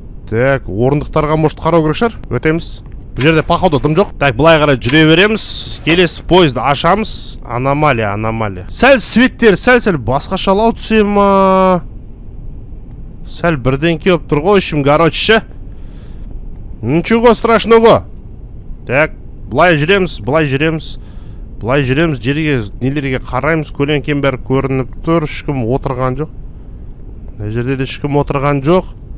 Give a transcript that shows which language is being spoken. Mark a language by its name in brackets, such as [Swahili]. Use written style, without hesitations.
[Kazakh] Так, орындықтарға может қарау керек шығар, өтеміз. Бұл жерде походу дым жоқ. Так, былай қарай жүре береміз. Келесі поезды ашамыз. Аномалия, аномалия. Сәл светтер, сәл-сәл басқашалау түсе ма? Сәл бірден келіп тұр ғой ішім, короче. [Russian] Ничего страшного. [Kazakh] Так, былай жүреміз, былай жүреміз. Былай жүреміз, жерге, нелерге қараймыз. Көлеңкем бәрі көрініп тұр. Ешкім отырған жоқ. Мына жерде де ешкім отырған жоқ.